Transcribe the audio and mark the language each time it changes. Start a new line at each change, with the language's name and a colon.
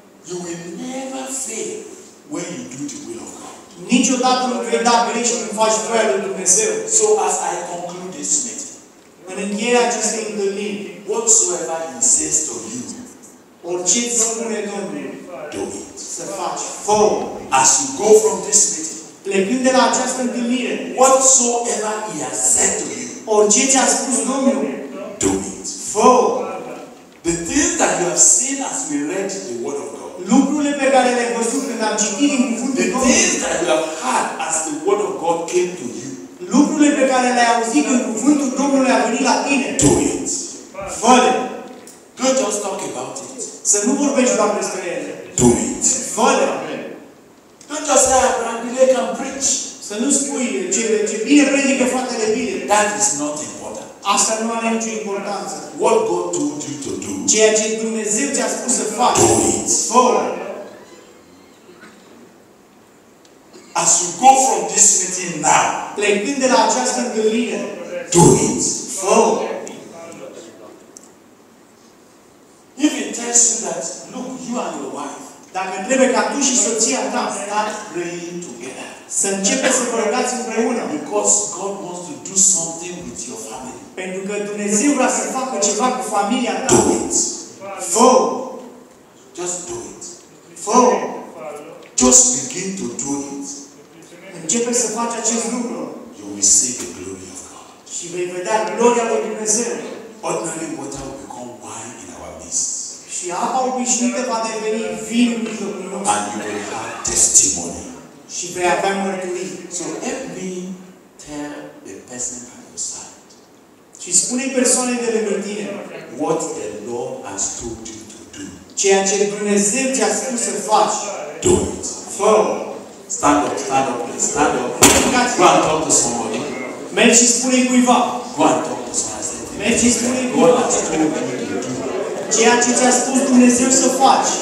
English: You will never fail when you do the will of God.
Romanian: Niciodată nu vei da greșit când faci voia lui Dumnezeu.
English: So as I conclude this meeting,
Romanian: în încheierea acestei întâlniri,
English: whatsoever he says to you,
Romanian: orice îți spune Domnul,
English: do it.
Romanian: Să faci. Fă.
English: As you go from this meeting,
Romanian: plecând de la această întâlnire,
English: whatsoever he has said to you,
Romanian: orice ți-a spus Domnul,
English: do it.
Romanian: Fă.
English: The thing that you have seen as we read the word of God,
Romanian: lucrurile pe care le-ai văzut când am citit din cuvântul Domnului,
English: the thing that you have heard as the word of God came to you,
Romanian: lucrurile pe care le-ai auzit când cuvântul Domnului a venit la tine,
English: do it.
Romanian: Fă-le.
English: Don't just talk about it.
Romanian: Să nu vorbești doar despre ele.
English: Do it.
Romanian: Fă-le.
English: Don't just say, I'm
Romanian: bine că am
English: preach.
Romanian: Să nu spui ce bine predică fratele bine.
English: That is not important.
Romanian: Asta nu are nicio importanță.
English: What God told you to do.
Romanian: Ceea ce Dumnezeu ți-a spus să faci.
English: Do it.
Romanian: Fă-le.
English: As you go from this meeting now.
Romanian: Plecând de la această întâlnire.
English: Do it.
Romanian: Fă-le.
English: If it tells you that, look, you and your wife,
Romanian: dacă trebuie ca tu și soția ta,
English: start praying together.
Romanian: Să începe să vă rugați împreună.
English: Because God wants to do something with your family.
Romanian: Pentru că Dumnezeu vrea să facă ceva cu familia ta.
English: Do it.
Romanian: Fă.
English: Just do it.
Romanian: Fă.
English: Just begin to do it.
Romanian: Începe să faci acest lucru.
English: You will see the glory of God.
Romanian: Și vei vedea gloria lui Dumnezeu.
English: Ordinary water will become wine.
Romanian: Și apa obișnuită va deveni vin în mijlocul nostru.
English: And you will have testimony.
Romanian: Și vei avea mărturii.
English: So help me tell the person on your side.
Romanian: Și spune persoanei de lângă tine.
English: What the Lord has told you to do.
Romanian: Ceea ce Dumnezeu ți-a spus să faci.
English: Do it.
Romanian: Fă.
English: Stand up, stand up, please. Stand up. Go and talk to somebody.
Romanian: Mergi și spune cuiva.
English: Go and talk to somebody.
Romanian: Mergi și spune cuiva.
English: God has told you to do.
Romanian: Ceea ce ți-a spus Dumnezeu să faci.